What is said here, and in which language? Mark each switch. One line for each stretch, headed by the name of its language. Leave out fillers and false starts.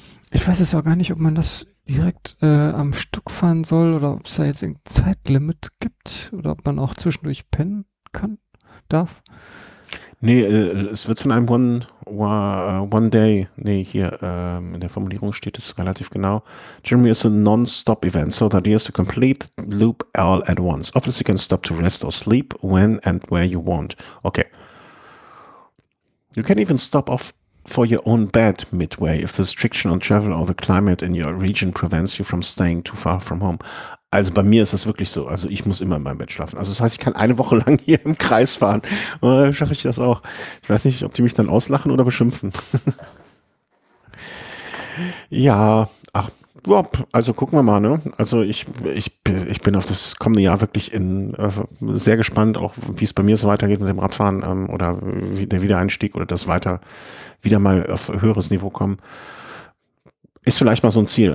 German: Ich weiß es auch gar nicht, ob man das direkt am Stück fahren soll oder ob es da jetzt ein Zeitlimit gibt oder ob man auch zwischendurch pennen kann, darf. Nee, es wird von einem One Day, nee, hier in der Formulierung steht es relativ genau.
English: Jeremy is a non-stop event, so the idea is to complete loop all at once. Obviously you can stop to rest or sleep when and where you want. Okay. You can even stop off for your own bed midway if the restriction on travel or the climate in your region prevents you from staying too far from home.
German: Also bei mir ist das wirklich so. Also ich muss immer in meinem Bett schlafen. Also das heißt, ich kann eine Woche lang hier im Kreis fahren. Oder schaffe ich das auch? Ich weiß nicht, ob die mich dann auslachen oder beschimpfen. Ja, ach, also gucken wir mal, ne? Also ich bin auf das kommende Jahr wirklich sehr gespannt, auch wie es bei mir so weitergeht mit dem Radfahren oder der Wiedereinstieg oder das weiter wieder mal auf höheres Niveau kommen. Ist vielleicht mal so ein Ziel.